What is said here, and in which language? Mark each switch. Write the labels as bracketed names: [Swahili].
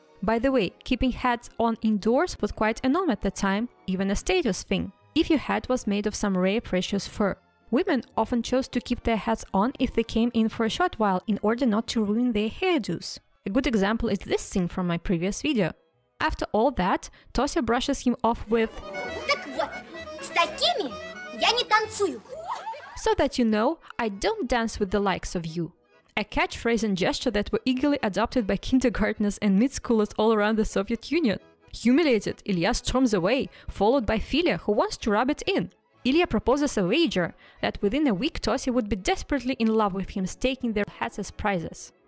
[English] By the way, keeping hats on indoors was quite a norm at the time, even a status thing, if your hat was made of some rare precious fur. Women often chose to keep their hats on if they came in for a short while in order not to ruin their hairdos. A good example is this scene from my previous video. After all that, Tosya brushes him off with [Russian] так вот, с такими я не танцую. [English] So that you know, I don't dance with the likes of you. A catchphrase and gesture that were eagerly adopted by kindergartners and mid-schoolers all around the Soviet Union. Humiliated, Ilya storms away, followed by Filia, who wants to rub it in. Ilya proposes a wager that within a week Tosya would be desperately in love with him, staking their hats as prizes.